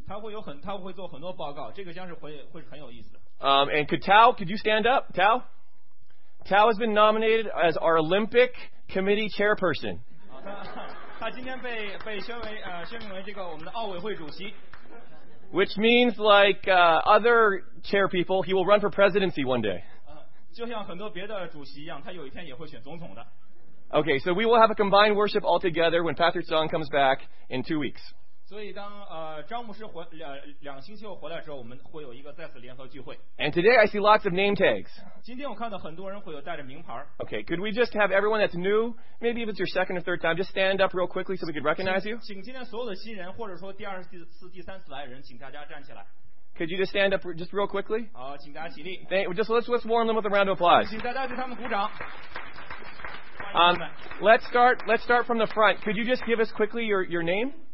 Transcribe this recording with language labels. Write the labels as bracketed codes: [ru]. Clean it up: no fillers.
[zh] 他会做很多报告，这个将是会很有意思的。 [en] And could you stand up, Tao? Tao has been nominated as our Olympic Committee Chairperson. [zh] 他今天被宣明为这个我们的奥委会主席。 [en] Which means like other chair people, he will run for presidency one day. [zh] 就像很多别的主席一样，他有一天也会选总统的。 [en] Okay, so we will have a combined worship all together when Pastor Zhang comes back in 2 weeks. [zh] 所以当张牧师两星期后回来之后，我们会有一个再次联合聚会。 [en] And today I see lots of name tags. [zh] 今天我看到很多人会有带着名牌。 [en] Okay, could we just have everyone that's new, maybe if it's your second or third time, just stand up real quickly so we could recognize you? [zh] 请今天所有的新人或者说第二次、第三次来的人，请大家站起来。 [en] Could you just stand up just real quickly? [zh] 好，请大家起立。 [en] Let's warm them with a round of applause. [zh] 请大家给他们鼓掌。 [en] Let's start from the front. Could you just give us quickly your name?